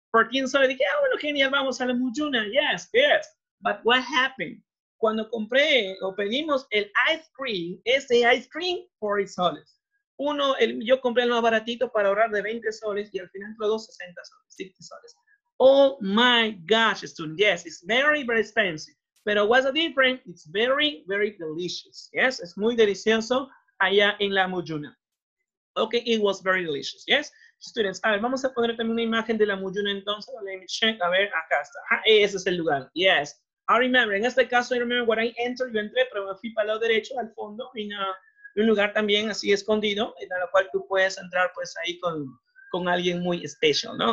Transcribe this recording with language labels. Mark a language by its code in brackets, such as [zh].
[es] 14 soles, dije, ah, bueno, genial, vamos a La Muyuna, [en] yes, yes. But what happened? [es] Cuando compré o pedimos el ice cream, este ice cream, 40 soles. Yo compré el más baratito para ahorrar de 20 soles, y al final todo 60 soles, 60 soles. [en] Oh my gosh, student, yes, it's very, very expensive. Pero what's the difference? It's very, very delicious. [es] Yes, es muy delicioso allá en La Muyuna. [en] Okay, it was very delicious. Yes, students, [es] a ver, vamos a poner también una imagen de La Muyuna entonces. [en] Let me check, [es] a ver, acá está. Ah, ese es el lugar. [en] Yes, I remember. [es] En este caso, [en] I remember when I entered, [es] yo entré, pero me fui para el lado derecho, al fondo, en un lugar también así escondido, en el cual tú puedes entrar pues ahí con alguien muy especial, ¿no?